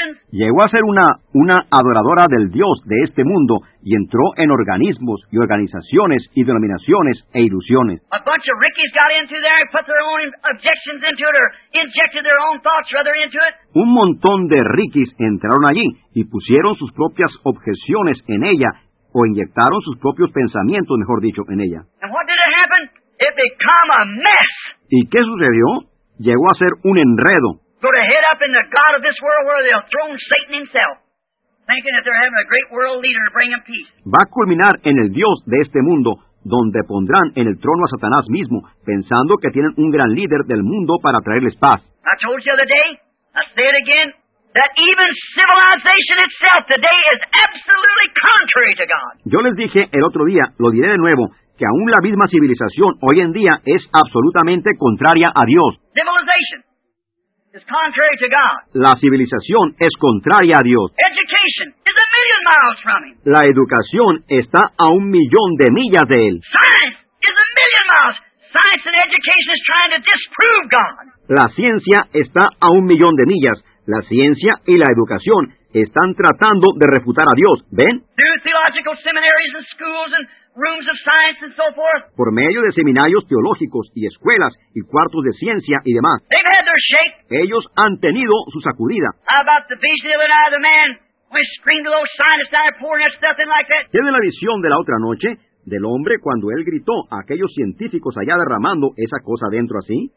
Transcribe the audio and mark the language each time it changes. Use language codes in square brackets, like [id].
[es] Llegó a ser una adoradora del Dios de este mundo y entró en organismos y organizaciones y denominaciones e ilusiones. [en] A bunch of Rickies got into there and put their own objections into it, or injected their own thoughts rather into it. [es] Un montón de Rickies entraron allí y pusieron sus propias objeciones en ella, o inyectaron sus propios pensamientos, mejor dicho, en ella. [en] And what did it happen? It became a mess. [es] ¿Y qué sucedió? Llegó a ser un enredo. [en] Go to head up in the god of this world where they'll throw Satan himself, thinking that they're having a great world leader to bring him peace. [es] Va a culminar en el Dios de este mundo, donde pondrán en el trono a Satanás mismo, pensando que tienen un gran líder del mundo para traerles paz. [en] I told you the other day, I'll say it again, that even civilization itself today is absolutely contrary to God. [es] Yo les dije el otro día, lo diré de nuevo, que aún la misma civilización hoy en día es absolutamente contraria a Dios. [en] Civilization is contrary to God. [es] La civilización es contraria a Dios. [en] Education is a million miles from him. [es] La educación está a un millón de millas de él. [en] Science is a million miles. Science and education is trying to disprove God. [es] La ciencia está a un millón de millas. La ciencia y la educación están tratando de refutar a Dios. ¿Ven? [en] Through theological seminaries and schools and rooms of science and so forth. [es] Por medio de seminarios teológicos y escuelas y cuartos de ciencia y demás. [en] They've had their shake. [es] Ellos han tenido su sacudida. [en] How about the vision of the night of the man when he screamed to those scientists out of pouring that stuff in like that? [es] ¿Qué de la visión de la otra noche del hombre cuando él gritó a aquellos científicos allá derramando esa cosa dentro así?